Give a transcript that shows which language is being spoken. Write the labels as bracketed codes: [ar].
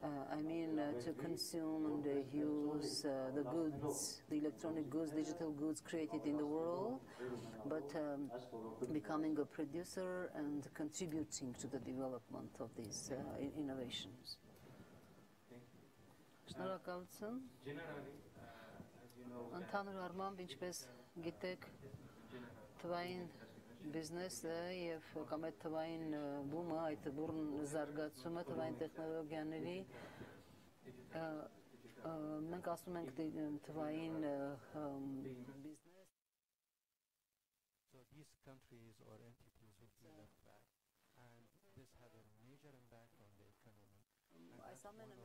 [en] I mean, to consume and use the goods, the electronic goods, digital goods created in the world, but becoming a producer and contributing to the development of these innovations. [hy] Շնորհակալություն։ Ընդհանուր առմամբ, ինչպես գիտեք, թվային բիզնեսը եւ կամ այդ թվային բումը, այդ բուրն զարգացումը թվային տեխնոլոգիաների, մենք ասում ենք թվային բիզնես. [en] So these countries or entities would be left back, and this had a major impact on the economy.